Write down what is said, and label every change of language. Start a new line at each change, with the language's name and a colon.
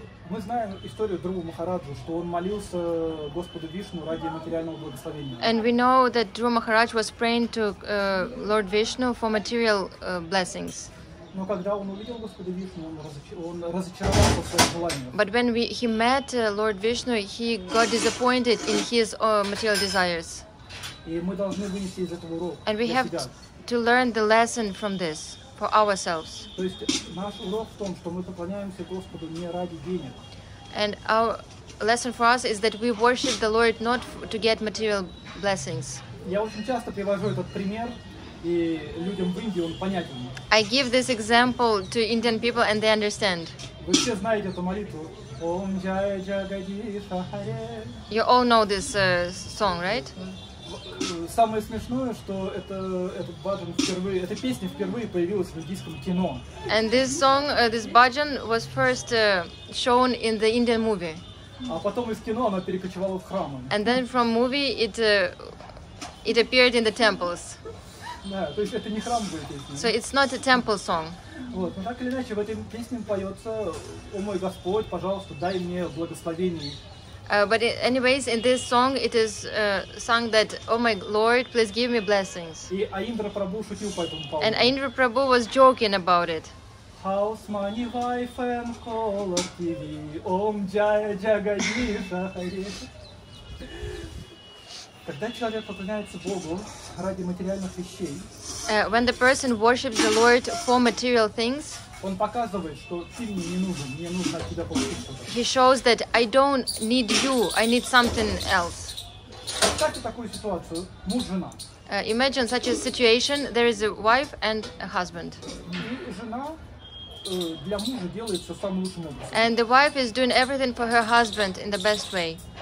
Russian: Мы знаем историю Друва Махараджа, что он молился Господу Вишну ради материального благословения.
English: And we know that Друва Махарадж was praying to Lord Vishnu for material blessings.
Russian: Но когда он увидел Господа Вишну, он разочаровался в своих желаниях.
English: But when he met Lord Vishnu, he got disappointed in his material desires.
Russian: И мы должны вынести из этого урок.
English: And we have to learn the lesson from this. For ourselves.
Russian: То есть наш урок в том, что мы поклоняемся Господу не ради денег.
English: And our lesson for us is that we worship the Lord not to get material blessings.
Russian: Я очень часто привожу этот пример, и людям в Индии он понятен.
English: I give this example to Indian people and they understand.
Russian: Вы все знаете эту молитву.
Hindi: Ом джая джагадиша харе.
English: You all know this song, right?
Russian: Самое смешное, что этот баджан впервые, эта песня впервые появилась в индийском кино.
English: And this song, this bhajan was first shown in the Indian movie.
Russian: А потом из кино она перекочевала в храмы.
English: And then from movie it appeared in the temples.
Russian: Да, то есть это не храм был песня.
English: So it's not a temple song.
Russian: Вот, но так или иначе в этой песне поется: «О мой Господь, пожалуйста, дай мне благословение».
English: But anyways, in this song, it is sung that, oh my Lord, please give me blessings. And Aindra Prabhu was joking about it. House money, wife and color TV,
Hindi: Om Jaya Jagadisha Hare.
Russian: Когда человек поклоняется Богу ради материальных вещей,
English: when the person worships the Lord for material things,
Russian: он показывает, что ты мне нужен, мне нужно от тебя получить что-то.
English: He shows that I don't need you, I need something else.
Russian: Представьте такую ситуацию, муж-жена.
English: Imagine such a situation, there is a wife and a husband.
Russian: Жена для мужа делает все самым лучшим образом.
English: And the wife is doing everything for her husband in the best way.